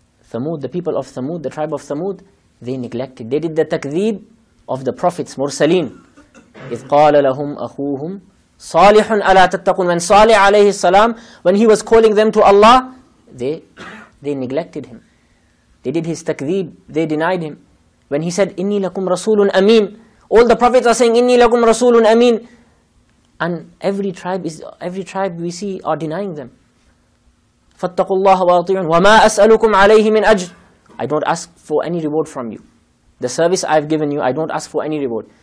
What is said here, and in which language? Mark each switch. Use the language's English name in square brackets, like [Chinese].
[English] Thamud, the people of Thamud, the tribe of Thamud, they neglected. They did the takdeeb of the prophets, Mursaleen. [Arabic] إِذْ قَالَ لَهُمْ أَخُوهُمْ صَالِحٌ أَلَا تَتَّقُونَ. [English] When Salih alayhi salam, when he was calling them to Allah, they neglected him. They did his takdeeb, they denied him. When he said, [Arabic] إِنِّي لَكُمْ رَسُولٌ أَمِينٌ. [English] All the prophets are saying, [Arabic] إِنِّي لَكُمْ رَسُولٌ أَمِينٌ. [English] And every tribe we see are denying them. [Arabic] فَاتَّقُوا اللَّهَ وَأَطِيعُونَ. وَمَا أَسْأَلُكُمْ عَلَيْهِ مِنْ أَجْرٍ. [English] I don't ask for any reward from you. The service I've given you, I don't ask for any reward.